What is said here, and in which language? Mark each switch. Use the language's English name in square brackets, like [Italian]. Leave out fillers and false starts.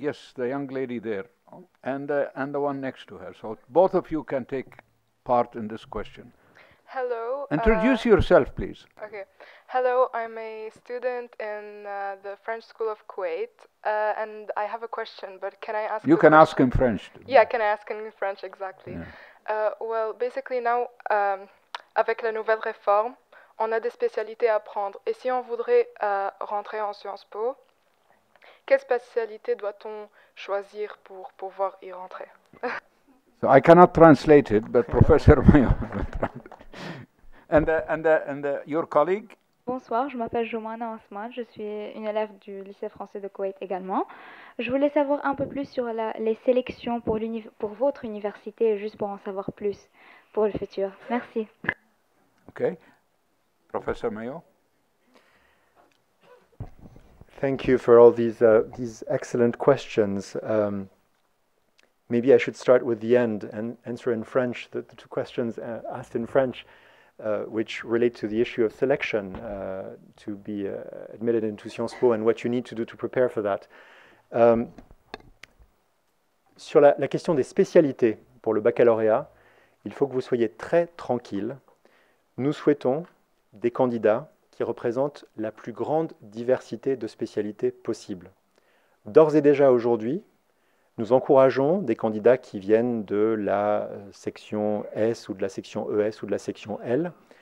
[English] Yes, the young lady there. And the one next to her. So both of you can take part in this question. Hello. Introduce yourself, please. Okay. Hello, I'm a student in the French School of Kuwait, and I have a question, but can I ask... You can ask in French. Yeah, can I ask in French, exactly. Yeah. Well, basically now, [French] avec la nouvelle réforme, on a des spécialités à prendre. Et si on voudrait rentrer en Sciences Po, quelle spécialité doit-on choisir pour pouvoir y rentrer? [English] So I cannot translate it, but Professor Mion will translate. And your colleague? [French] Bonsoir, je m'appelle Joumana Osman, je suis une élève du lycée français de Koweït également. Je voulais savoir un peu plus sur les sélections pour votre université, juste pour en savoir plus pour le futur. Merci. [English] OK. Professor Mayo. Thank you for all these excellent questions. Maybe I should start with the end and answer in French the two questions asked in French. Which relate to the issue of selection to be admitted into Sciences Po and what you need to do to prepare for that. [French] Sur la question des spécialités pour le baccalauréat, il faut que vous soyez très tranquille. Nous souhaitons des candidats qui représentent la plus grande diversité de spécialités possible. D'ores et déjà aujourd'hui, nous encourageons des candidats qui viennent de la section S ou de la section ES ou de la section L.